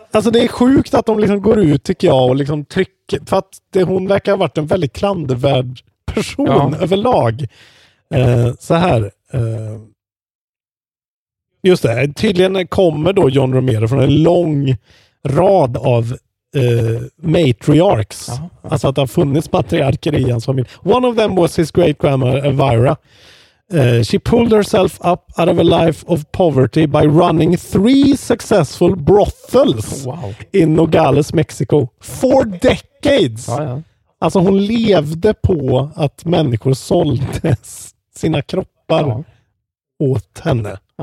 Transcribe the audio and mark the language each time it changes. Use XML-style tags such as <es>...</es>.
<sv>Alltså det är sjukt att de liksom går ut, tycker jag, och liksom trycker, för att det, hon verkar ha varit en väldigt klandervärd person överlag. Så här. Just det. Tydligen kommer då John Romero från en lång rad av matriarchs. Jaha. Alltså att det har funnits patriarker i hans familj.</sv> <en>One of them was his great-grandma Elvira. She pulled herself up out of a life of poverty by running 3 successful brothels in Nogales, Mexico for decades.</en> <sv>Alltså hon levde på att människor sålde sina kroppar åt henne.</sv>